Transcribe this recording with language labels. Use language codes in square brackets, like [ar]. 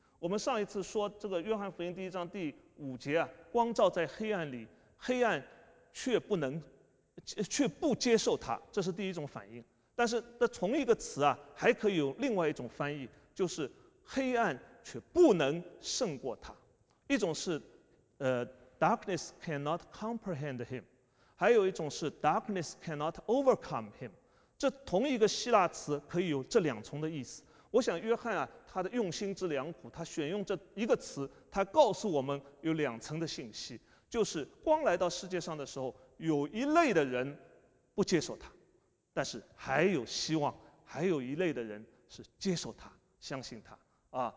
[zh] 我们上一次说这个约翰福音第一章第五节啊，光照在黑暗里，黑暗却不接受它，这是第一种反应。但是那同一个词啊，还可以有另外一种翻译，就是黑暗却不能胜过它。一种是 [en] darkness cannot comprehend him， [zh] 还有一种是 [en] darkness cannot overcome him。 [zh] 这同一个希腊词可以有这两重的意思。我想约翰啊，他的用心之良苦，他选用这一个词，他告诉我们有两层的信息，就是光来到世界上的时候，有一类的人不接受他，但是还有希望，还有一类的人是接受他，相信他啊。